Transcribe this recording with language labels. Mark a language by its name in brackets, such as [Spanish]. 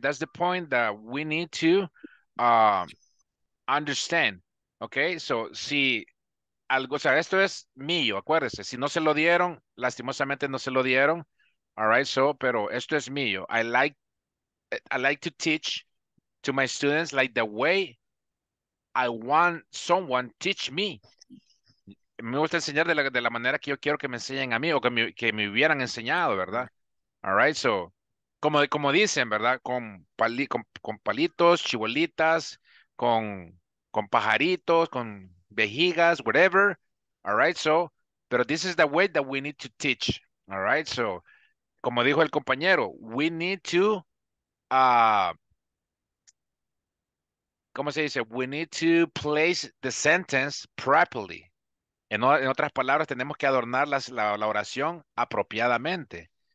[English] That's the point that we need to understand. Okay. [Spanish] So si algo, o sea, esto es mío. Acuérdese. Si no se lo dieron, lastimosamente no se lo dieron. [English] All right. So, [Spanish] pero esto es mío. [English] I like to teach to my students like the way I want someone teach me. [Spanish] Me gusta enseñar de la manera que yo quiero que me enseñen a mí o que me hubieran enseñado, ¿verdad? All right, so, como dicen, ¿verdad? Con palitos, chibolitas, con pajaritos, con vejigas, whatever. [English] All right, so, pero this is the way that we need to teach. [Spanish] All right, so, como dijo el compañero, [English] we need to, [Spanish] ¿cómo se dice? [English] We need to place the sentence properly. [Spanish] En otras palabras, tenemos que adornar la oración apropiadamente.